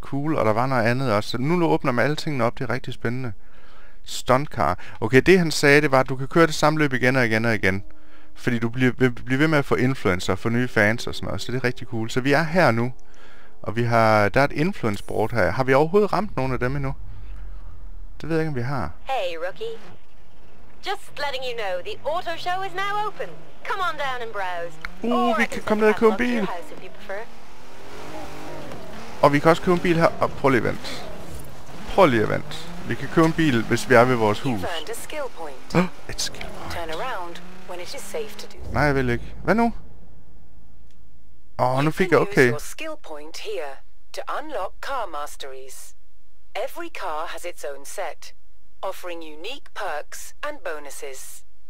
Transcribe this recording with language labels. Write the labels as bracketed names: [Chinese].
[Danish] Cool, og der var noget andet også. Nu åbner man alle tingene op. Det er rigtig spændende. Stunt car. Okay, det han sagde, det var, at du kan køre det samme løb igen og igen og igen. Fordi du bliver ved med at få influencer og få nye fans og sådan noget. Så det er rigtig cool. Så vi er her nu. Og vi har, der er et influence board her. Har vi overhovedet ramt nogen af dem endnu? Det ved jeg ikke, om vi har. [English] Hey, rookie. Just letting you know, the auto show is now open. Come on down and browse. [Danish] Vi kan komme ned og købe en bil. Og vi kan også købe en bil her. Og prøv lige at vente. Vi kan købe en bil, hvis vi er ved vores hus. Et skill point. [English] Turn around when it is safe to do. [Danish] Nej, jeg vil ikke. Hvad nu? Nu fik jeg okay. [English] You can use skill point here to unlock car masteries. Every car has its own set, offering unique perks and bonuses.